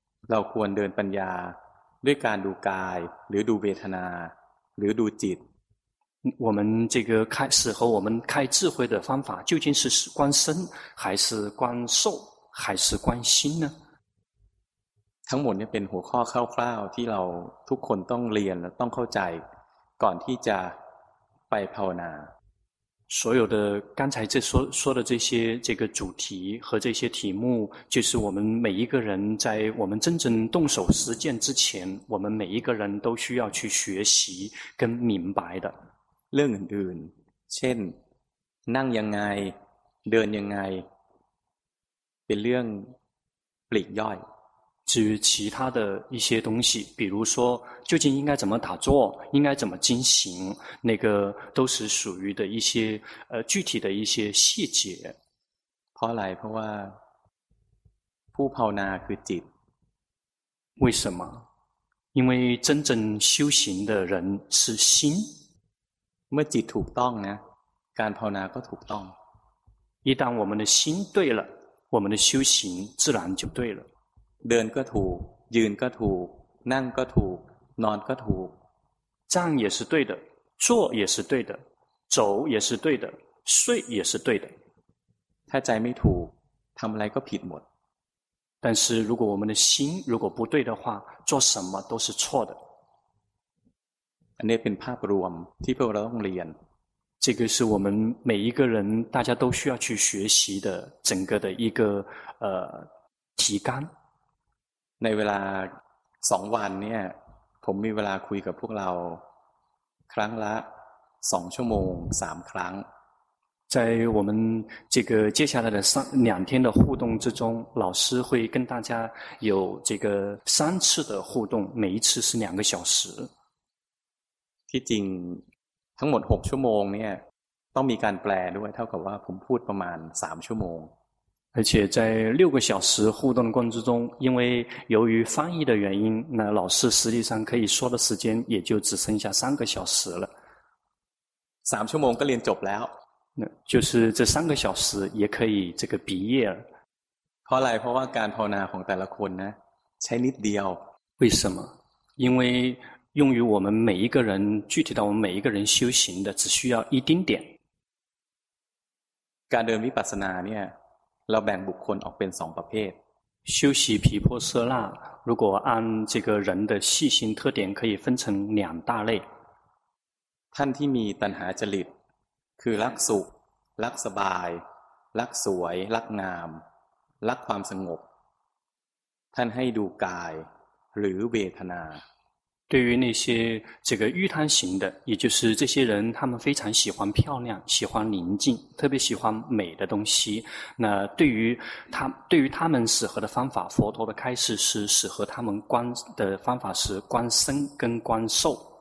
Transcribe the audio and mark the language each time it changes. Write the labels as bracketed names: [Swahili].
[Thai] เราควรเดินปัญญาด้วยการดูกายหรือดูเวทนาหรือดูจิต [Chinese] 我们这个开适合我们开智慧的方法究竟是观身还是观受还是观心呢 [Thai] ทั้งหมดเนี่ยเป็นหัวข้อคร่าวๆที่เราทุกคนต้องเรียนและต้องเข้าใจก่อนที่จะไปภาวนา [Chinese] 所有的刚才这说的这些这个主题和这些题目就是我们每一个人在我们真正动手实践之前我们每一个人都需要去学习跟明白的 [Thai] เรื่องอื่นเช่นนั่งยังไงเดินยังไงเป็นเรื่องปลีกย่อย [Chinese] 至于其他的一些东西比如说究竟应该怎么打坐应该怎么进行那个都是属于的一些具体的一些细节 [Thai] เพราะอะไรเพราะว่าผู้ภาวนาคือจิต [Chinese] 为什么因为真正修行的人是心 [Thai] เมื่อจิตถูกต้องนะการภาวนาก็ถูกต้อง [Chinese] 一旦我们的心对了我们的修行自然就对了 [Thai] เดินก็ถูกยืนก็ถูกนั่งก็ถูกนอนก็ถูก [Chinese] 站也是对的坐也是对的走也是对的睡也是对的 [Thai] ถ้าใจไม่ถูกทำอะไรก็ผิดหมด [Chinese] 但是如果我们的心如果不对的话做什么都是错的 [Thai] อันนี้เป็นภาพรวมที่พวกเราต้องเรียน [Chinese] 这个是我们每一个人大家都需要去学习的整个的一个提纲。 [Thai] ในเวลา2วันเนี่ยผมมีเวลาคุยกับพวกเราครั้งละ2ชั่วโมง3ครั้ง [Chinese] 在我们这个接下来的两天的互动之中，老师会跟大家有这个三次的互动，每一次是两个小时。 [Thai] ที่จริงทั้งหมด6ชั่วโมงเนี่ยต้องมีการแปลด้วยเท่ากับว่าผมพูดประมาณ3ชั่วโมง [Chinese] 而且在6个小时互动的过程之中，因为由于翻译的原因，那老师实际上可以说的时间也就只剩下3个小时了。 [Thai] 3ชั่วโมงก็เรียนจบแล้ว [Chinese] 就是这三个小时也可以这个毕业了。 [Thai] เพราะอะไรเพราะว่าการภาวนาของแต่ละคนนะใช้นิดเดียว [Chinese] 为什么因为用于我们每一个人具体到我们每一个人修行的只需要一丁点 [Thai] การเดินวิปัสสนาเนี่ยเราแบ่งบุคคลออกเป็น2ประเภท [Chinese] 修习毗婆舍那如果按这个人的细心特点可以分成两大类 [Thai] ท่านที่มีตัณหาจริตคือรักสุขรักสบายรักสวยรักงามรักความสงบท่านให้ดูกายหรือเวทนา [Chinese] 对于那些这个欲贪型的，也就是这些人，他们非常喜欢漂亮，喜欢宁静，特别喜欢美的东西。那对于他们适合的方法，佛陀的开示是适合他们观的方法是观身跟观受。